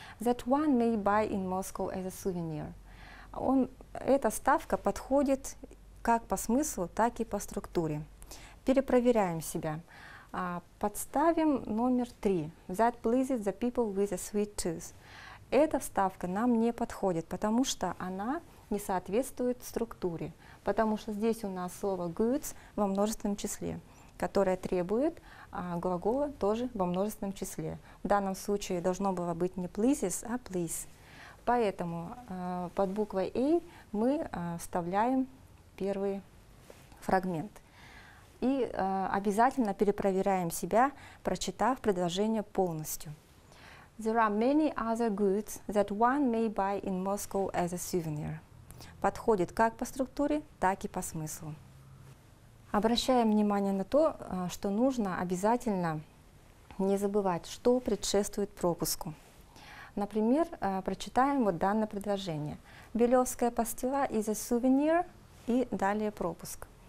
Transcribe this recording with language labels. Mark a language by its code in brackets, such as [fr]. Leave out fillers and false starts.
[en] That one may buy in Moscow as a souvenir. [ru] Эта ставка подходит как по смыслу, так и по структуре. Перепроверяем себя. Подставим номер три. [en] That pleases the people with a sweet tooth. [ru] Эта вставка нам не подходит, потому что она не соответствует структуре. Потому что здесь у нас слово goods во множественном числе, которая требует глагола тоже во множественном числе. В данном случае должно было быть не pleases, а please. Поэтому под буквой A мы вставляем первый фрагмент. И обязательно перепроверяем себя, прочитав предложение полностью. [en] There are many other goods that one may buy in Moscow as a souvenir. [ru] Подходит как по структуре, так и по смыслу. Обращаем внимание на то, что нужно обязательно не забывать, что предшествует пропуску. Например, прочитаем вот данное предложение. Белевская пастила [en] is a souvenir, [ru] и далее пропуск.